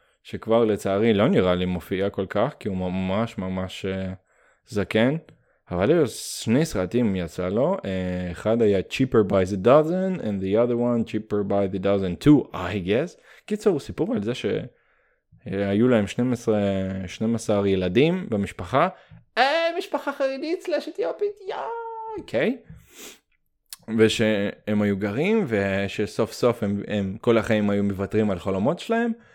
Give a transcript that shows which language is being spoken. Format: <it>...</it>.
<he>שכבר לצערי לא נראה לי מופיע כל כך, כי הוא ממש ממש זקן. אבל היו 2 סרטים יצא לו. אחד היה</he> <en>Cheaper by the Dozen, and the other one Cheaper by the Dozen 2, I guess.</en> <he>קיצור, סיפור על זה שהיו להם 12 ילדים במשפחה. משפחה חרדית / אתיופית, יא! אוקיי. ושהם היו גרים, ושסוף סוף הם כל החיים היו מוותרים על חלומות שלהם.</he>